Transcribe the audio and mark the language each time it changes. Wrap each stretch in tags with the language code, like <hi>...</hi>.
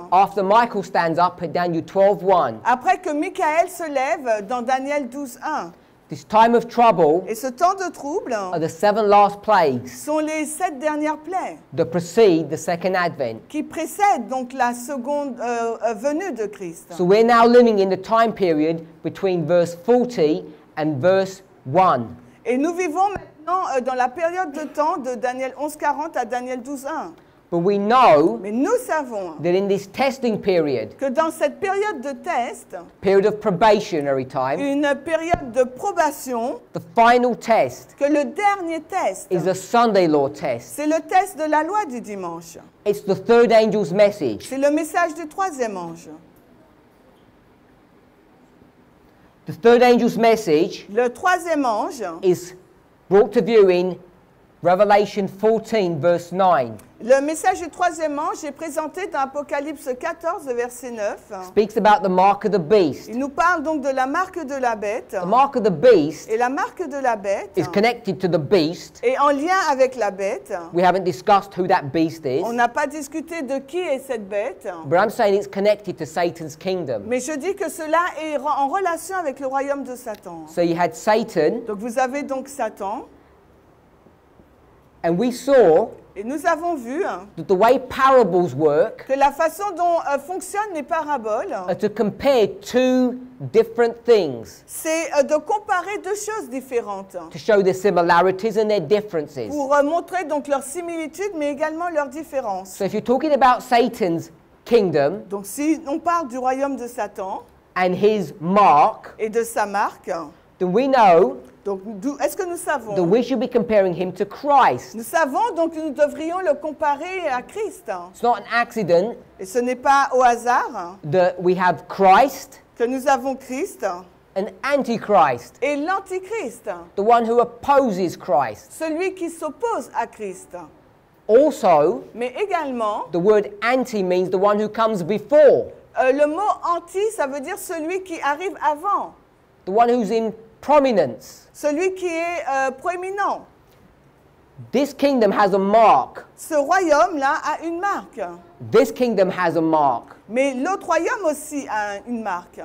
<en>After Michael stands up at Daniel 12:1.</en> <fr>Après que Michael se lève dans Daniel 12:1.</fr> <en>This time of trouble,</en> <fr>et ce temps de trouble,</fr> <en>are the seven last plagues,</en> <fr>sont les sept dernières plaies,</fr> <en>that precede the second advent,</en> <fr>qui précèdent donc la seconde venue de Christ.</fr> <en>So we're now living in the time period between verse 40 and verse 1.</en> <fr>Et nous vivons maintenant dans la période de temps de Daniel 11:40 à Daniel 12:1.</fr> <en>But we know,</en> <fr>mais nous savons,</fr> <en>that in this testing period,</en> <fr>que dans cette période de test,</fr> <en>period of probationary time,</en> <fr>une période de probation,</fr> <en>the final test,</en> <fr>que le dernier test,</fr> <en>is a Sunday law test.</en> <fr>C'est le test de la loi du dimanche.</fr> <en>It's the third angel's message.</en> <fr>C'est le message du troisième ange.</fr> <en>The third angel's message,</en> <fr>le troisième ange,</fr> <en>is brought to view in Revelation 14, verse 9.</en> <fr>Le message du troisième ange est présenté dans Apocalypse 14, verset 9.</fr> <en>Speaks about the mark of the beast.</en> <fr>Il nous parle donc de la marque de la bête.</fr> <en>The mark of the beast.</en> <fr>Et la marque de la bête.</fr> <en>Is connected to the beast.</en> <fr>Et en lien avec la bête.</fr> <en>We haven't discussed who that beast is.</en> <fr>On n'a pas discuté de qui est cette bête.</fr> <en>But I'm saying it's connected to Satan's kingdom.</en> <fr>Mais je dis que cela est en relation avec le royaume de Satan.</fr> <en>So you had Satan.</en> <fr>Donc vous avez donc Satan.</fr> <en>And we saw,</en> <fr>et nous avons vu,</fr> <en>that the way parables work,</en> <fr>que la façon dont fonctionnent les paraboles,</fr> <en>are to compare two different things,</en> <fr>c'est de comparer deux choses différentes,</fr> <en>to show their similarities and their differences,</en> <fr>pour montrer donc leurs similitudes mais également leurs différences.</fr> <en>So if you're talking about Satan's kingdom,</en> <fr>donc si on parle du royaume de Satan,</fr> <en>and his mark,</en> <fr>et de sa marque,</fr> <en>then we know.</en> <fr>Donc, est-ce que nous savons?</fr> <en>That we should be comparing him to Christ.</en> <fr>Nous savons donc que nous devrions le comparer à Christ.</fr> <en>It's not an accident.</en> <fr>Et ce n'est pas au hasard.</fr> <en>That we have Christ.</en> <fr>Que nous avons Christ.</fr> <en>An antichrist.</en> <fr>Et l'antichrist.</fr> <en>The one who opposes Christ.</en> <fr>Celui qui s'oppose à Christ.</fr> <en>Also.</en> <fr>Mais également.</fr> <en>The word anti means the one who comes before.</en> <fr>Le mot anti, ça veut dire celui qui arrive avant.</fr> <en>The one who's in prominence.</en> <fr>Celui qui est proéminent.</fr> <en>This kingdom has a mark.</en> <fr>Ce royaume là a une marque.</fr> <en>This kingdom has a mark.</en> <fr>Mais l'autre royaume aussi a une marque.</fr>